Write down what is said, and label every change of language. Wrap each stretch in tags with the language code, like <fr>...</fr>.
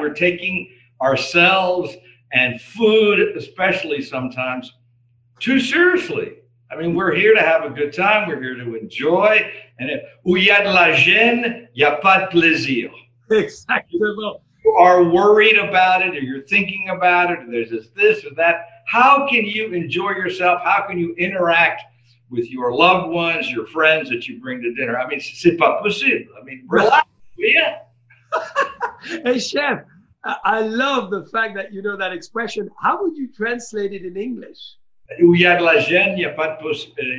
<en>We're taking ourselves and food, especially sometimes, too seriously. I mean, we're here to have a good time. We're here to enjoy. And if,</en> <fr>où y a de la gêne, y a pas de plaisir.</fr> <en>Exactly. You are worried about it, or you're thinking about it, or there's this or that. How can you enjoy yourself? How can you interact with your loved ones, your friends that you bring to dinner? I mean,</en> <fr>c'est pas possible.</fr> <en>I mean, relax, will you? Hey, chef, I love the fact that you know that expression. How would you translate it in English?</en> <fr>Où y a de la gêne, y a pas de possible.</fr>